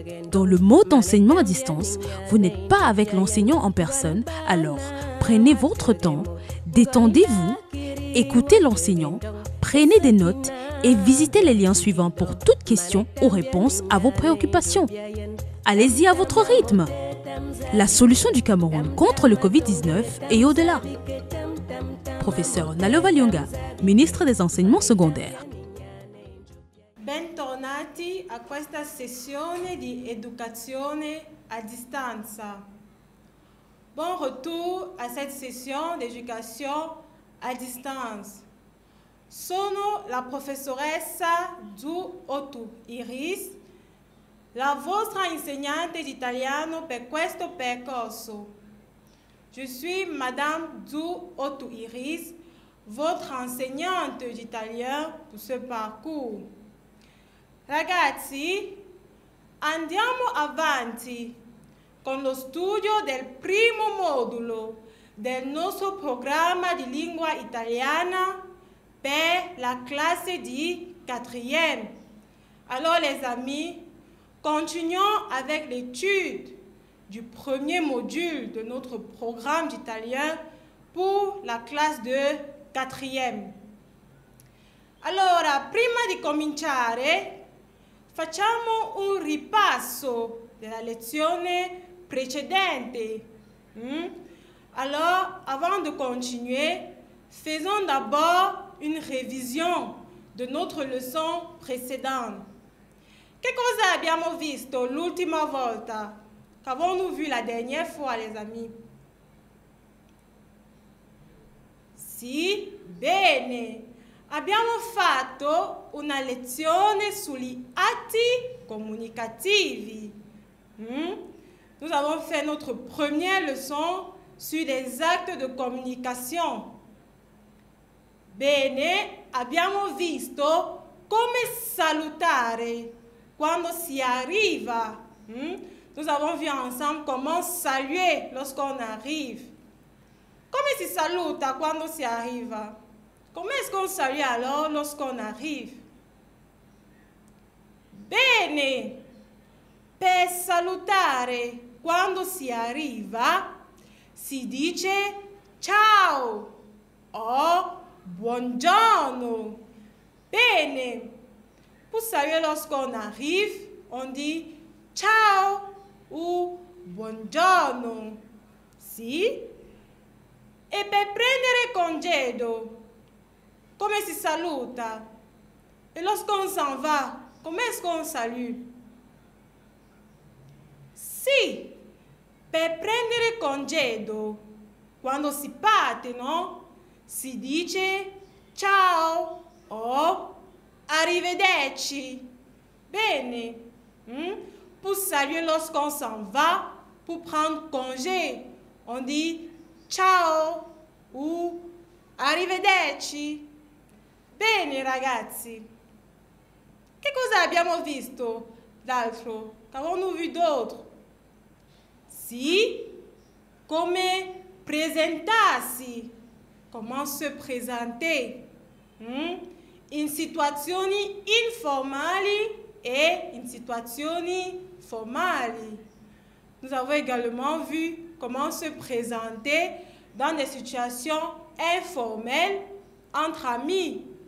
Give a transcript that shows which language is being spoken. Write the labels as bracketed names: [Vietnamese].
[French] Dans le mode d'enseignement à distance, vous n'êtes pas avec l'enseignant en personne, alors prenez votre temps, détendez-vous, écoutez l'enseignant, prenez des notes et visitez les liens suivants pour toutes questions ou réponses à vos préoccupations. Allez-y à votre rythme! La solution du Cameroun contre le Covid-19 et au-delà. Professeur Nalova Lyonga, ministre des Enseignements secondaires. [Italian] Bentornati a questa sessione di educazione a distanza. [French] Bon retour à cette session d'éducation à distance. [Italian] Sono la professoressa Du Otu Iris, la vostra insegnante d'italiano per questo percorso. [French] Je suis Madame Du Otu Iris, votre enseignante d'italien pour ce parcours. [Italian] Ragazzi, andiamo avanti con lo studio del primo modulo del nostro programma di lingua italiana per la classe di quatrième. [French] Alors les amis, continuons avec l'étude du premier module de notre programme d'italien pour la classe de quatrième. [Italian] Alors, prima di cominciare, facciamo un ripasso della lezione precedente. [French] Alors, avant de continuer, faisons d'abord une révision de notre leçon précédente. [Italian] Che cosa abbiamo visto l'ultima volta? [French] Qu'avons-nous vu la dernière fois, les amis? [Italian] Sì, bene. Abbiamo fatto una lezione sugli atti comunicativi. [French] Nous avons fait notre première leçon sur les actes de communication. [Italian] Bene, abbiamo visto come salutare quando si arriva. [French] Nous avons vu ensemble comment saluer lorsqu'on arrive. [Italian] Come si saluta quando si arriva? [French] Comment est-ce qu'on salue alors lorsqu'on arrive? [Italian] Bene, per salutare quando si arriva, si dice ciao o buongiorno. [French] Bene, pour saluer lorsqu'on arrive, on dit ciao ou buongiorno. [Italian] Si, e per prendere congedo, come si saluta? [French] E lorsqu'on s'en va, come est-ce qu'on salue? [Italian] Sì, per prendere congedo, quando si parte, no? Si dice ciao o arrivederci. [French] Bene, pour saluer lorsqu'on s'en va, pour prendre congé, on dit ciao ou arrivederci. [Italian] Bene, ragazzi. Che cosa abbiamo visto d'altro? [French] Qu'avons-nous vu d'autre? [Italian] Sì, come presentarsi. [French] Comment se présenter? [Italian] In situazioni informali e in situazioni formali. [French] Nous avons également vu comment se présenter dans des situations informelles entre amis.